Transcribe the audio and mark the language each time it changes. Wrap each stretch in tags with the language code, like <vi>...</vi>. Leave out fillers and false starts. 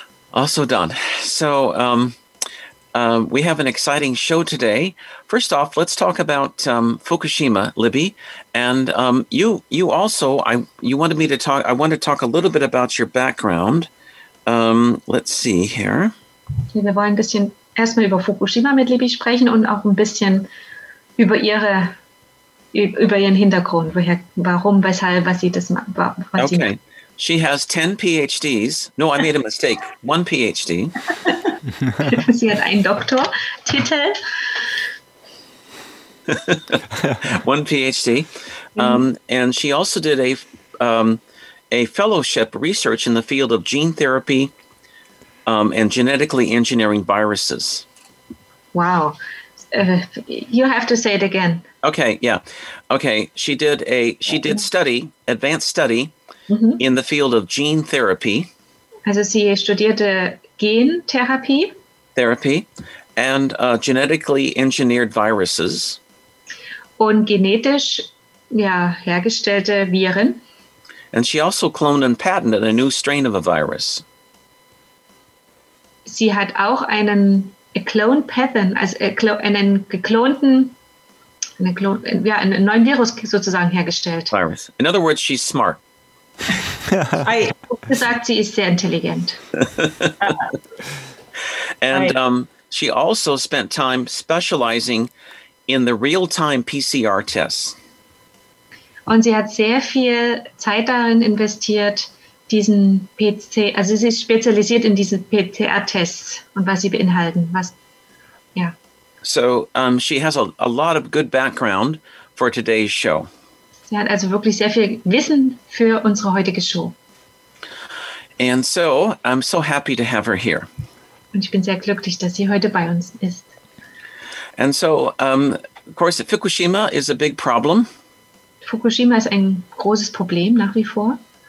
<en>Also done. So we have an exciting show today. First off, let's talk about Fukushima, Libby. And I want to talk a little bit about your background. Let's see here.</en> <de>Wir wollen ein bisschen erstmal über Fukushima mit Libby sprechen und auch ein bisschen über ihren Hintergrund, woher, warum, weshalb, was sie das macht.</de> <en>Okay. She has 10 PhDs. No, I made a mistake. 1 PhD.</en> <de>Sie hat einen Doktortitel.</de> <en>1 PhD. And she also did a fellowship research in the field of gene therapy and genetically engineering viruses. Wow. You have to say it again. Okay, yeah. Okay, she did advanced study in the field of gene therapy.</en> <de>Also sie studierte Gentherapie.</de> <en>Therapy and genetically engineered viruses.</en> <de>Und genetisch hergestellte Viren.</de> <en>And she also cloned and patented a new strain of a virus.</en> <de>Sie hat auch einen</de> <en>a clone pathogen,</en> <de>also einen geklonten, einen neuen Virus sozusagen hergestellt.</de> <en>Virus. In other words, she's smart.</en> <de>I gesagt, sie ist sehr intelligent.</de> <en>And she also spent time specializing in the real-time PCR tests.</en> <de>Und sie hat sehr viel Zeit darin investiert, diesen sie ist spezialisiert in diesen PCR-Tests und was sie beinhalten.</de> <en>So she has a lot of good background for today's show.</en> <de>Sie hat also wirklich sehr viel Wissen für unsere heutige Show.</de> <en>And so I'm so happy to have her here.</en> <de>Und ich bin sehr glücklich, dass sie heute bei uns ist.</de> <en>And so of course Fukushima is a big problem.</en> <de>Fukushima ist ein großes Problem nach wie vor.</de>